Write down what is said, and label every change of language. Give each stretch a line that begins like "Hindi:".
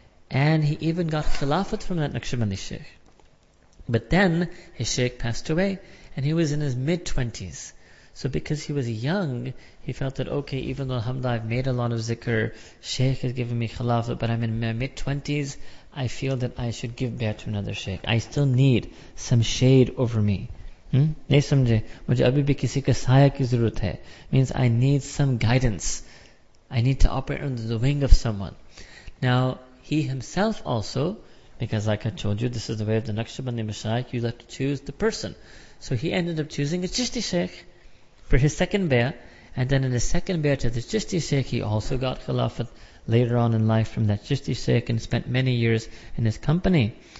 English: And he even got khilafat from that Naqshbandi sheikh. But then his sheikh passed away and he was in his mid-20s. So because he was young, he felt that, okay, even though alhamdulillah I've made a lot of zikr, sheikh has given me khilafah, but I'm in my mid-20s, I feel that I should give bayah to another sheikh. I still need some shade over me.
Urdu: نہیں سمجھے، مجھے ابھی بھی کسی کا سایہ کی ضرورت ہے۔
English: Means I need some guidance. I need to operate under the wing of someone. Now, he himself also, because like I told you, this is the way of the Naqshbandi mashayikh, you have to choose the person. So he ended up choosing a Chishti sheikh for his second bayah, and then in his second bayah to the Chishti sheikh, he also got khilafat later on in life from that Chishti sheikh and spent many years in his company.